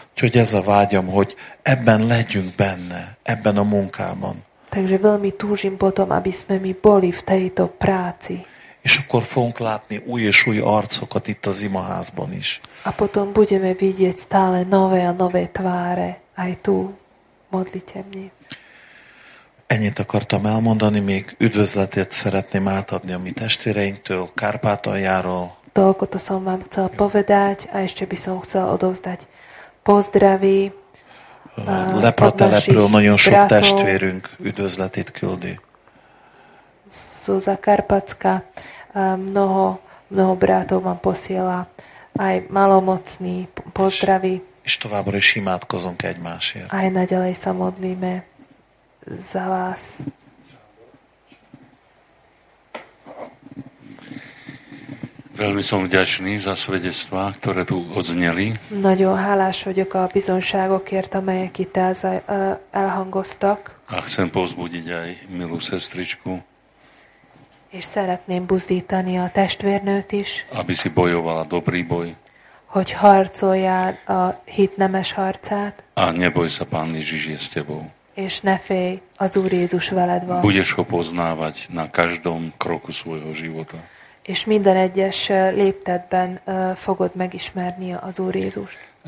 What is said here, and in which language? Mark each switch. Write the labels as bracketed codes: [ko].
[hu] Úgyhogy ez a vágyam, hogy ebben legyünk benne, ebben a munkában. [sk] Takže veľmi túžim potom, aby sme my boli v tejto práci. [hu] És akkor fogunk látni új és új arcokat itt az imaházban is. [sk] A potom budeme vidieť stále nové a nové tváre aj tu, modlitevni. [hu] Ennyit akartam elmondani, még üdvözletet szeretném átadni a mi testvéreinktől, Kárpátaljáról. [sk] Toľko to som vám chcel povedať a ešte by som chcel odovzdať pozdravy [hu] Lepratelepről nagyon sok testvérünk üdvözletét küldi. [sk] Zo Zakarpacka mnoho brátov vám posiela aj malomocný pozdravy. [hu] És továbbra is imádkozunk egymásért. [sk] Aj naďalej sa modlíme za vás. Veľmi som vďačný za svedectvá, ktoré tu odzneli. [hu] Nagyon hálás vagyok a bizonságokért, amelyek itt elhangoztak. [sk] A chcem povzbudiť aj milú sestričku. [hu] És szeretném buzdítani a testvérnőt is. [sk] Aby si bojovala dobrý boj. [hu] Hogy harcolja a hitnemes harcát. [sk] A neboj sa, Pán Ježiš je s tebou. [hu] És ne félj, az Úr Jézus veled van. [sk] Budeš ho poznávať na každom kroku svojho života. [hu] És minden egyes léptetben fogod megismerni az Úr Jézust.